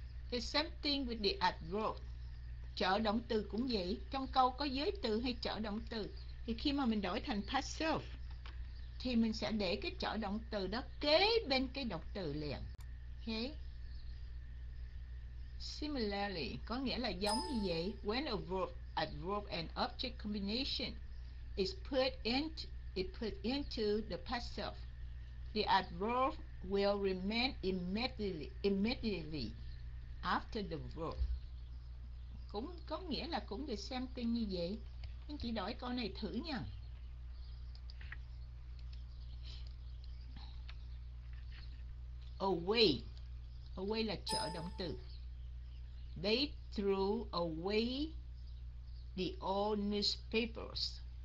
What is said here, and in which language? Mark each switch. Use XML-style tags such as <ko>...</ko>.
<en>The same thing with the adverb.</en> <vi>Trợ động từ cũng vậy. Trong câu có giới từ hay trợ động từ, thì khi mà mình đổi thành passive thì mình sẽ để cái trợ động từ đó kế bên cái động từ liền. Okay. Similarly, có nghĩa là giống như vậy.</vi> <en>When a verb, adverb and object combination is put into the past self, the adverb will remain immediately after the verb.</en> <vi>Cũng có nghĩa là cũng</vi> <en>the same thing</en> <vi>như vậy. Anh chị đổi câu này thử nha.</vi> <en>Away. Away</en> <vi>là trợ động từ.</vi> <en>They threw away the old newspapers.</en>